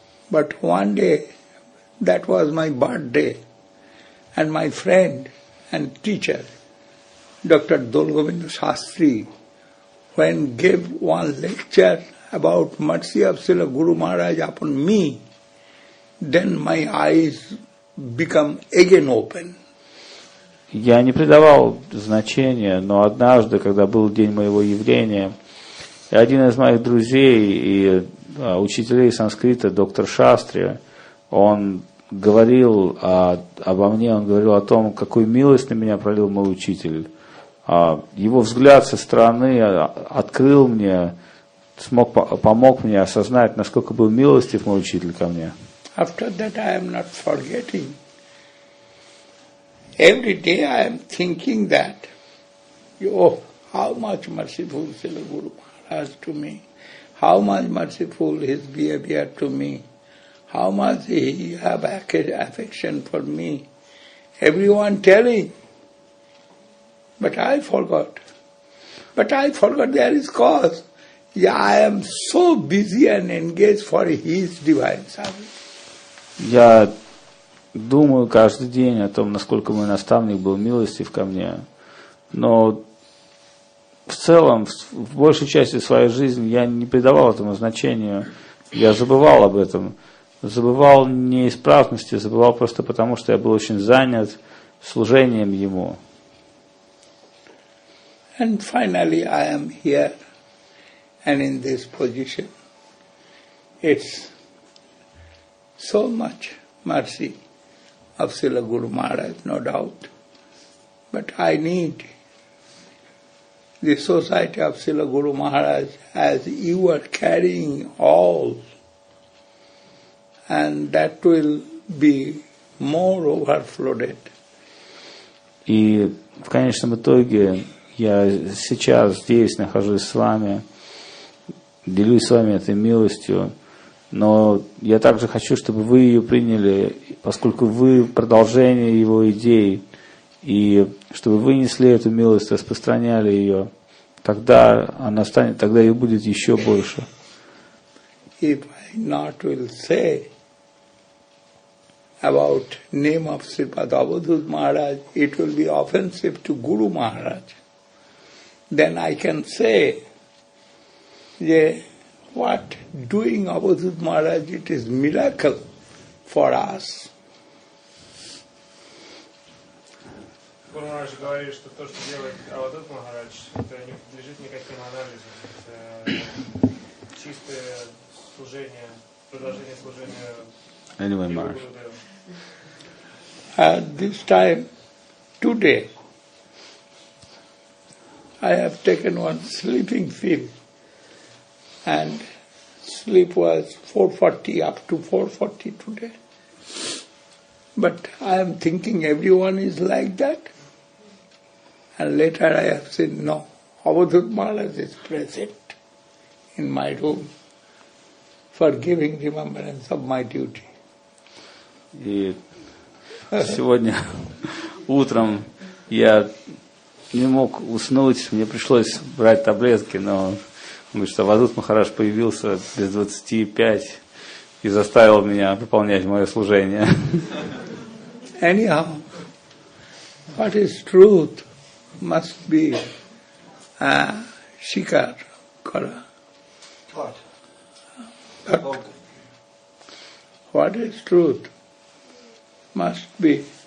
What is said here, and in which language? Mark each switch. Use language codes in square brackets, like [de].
[en] But one day, that was my birthday, and my friend and teacher, Dr. Dolgobindu Shastri, when gave one lecture about mercy of Srila Guru Maharaj upon me, then my eyes become again open. [ru] Я не придавал значения, но однажды, когда был день моего явления, один из моих друзей и учителей санскрита, доктор Шастри, он говорил обо мне, он говорил о том, какую милость на меня пролил мой учитель. Его взгляд со стороны открыл мне, помог мне осознать, насколько был милостив мой учитель ко мне. [en] After that I am not forgetting. Every day I am thinking that, oh, how much merciful Srila Guru Maharaj to me, how much merciful his behavior to me, how much he have affection for me. Everyone telling, but I forgot. But I forgot there is cause. Yeah, I am so busy and engaged for his divine service. Yeah. [ru] Думаю каждый день о том, насколько мой наставник был милостив ко мне. Но в целом, в большей части своей жизни я не придавал этому значения. Я забывал об этом. Забывал не из праздности, забывал просто потому, что я был очень занят служением ему. [en] And finally I am here and in this position. It's so much mercy of Srila Guru Maharaj, no doubt. But I need the society of Srila Guru Maharaj as you are carrying all, and that will be more overflowed. [ru] И в конечном итоге я сейчас здесь нахожусь с вами, делюсь с вами этой милостью, Но я также хочу, чтобы вы ее приняли, поскольку вы продолжение его идеи, и чтобы вы несли эту милость, распространяли ее, тогда она станет, тогда ее будет еще больше. [en] If I not will say about name of Sripada Avadhuta Maharaj, it will be offensive to Guru Maharaj. Then I can say, yeah, what doing Avadhuta Maharaj, it is miracle for us. [ru] Guru Maharaj говорит, что то, что делает Avadhuta Maharaj, это не подлежит никаким анализам. Это чистое служение, продолжение служения. [en] Anyway, Maharaj. At this time, today, I have taken one sleeping pill, and sleep was 4:40 up to 4:40 today. But I am thinking everyone is like that. And later I have seen, no, Avadhuta Maharaj is present in my room for giving remembrance of my duty. [ru] И сегодня утром я не мог уснуть, мне пришлось брать таблетки, но потому что Авадхута Махарадж появился без 25 и заставил меня выполнять мое служение. [en] Anyhow, what is truth must be [bn] shikar kara. [en] What? What is truth? Must be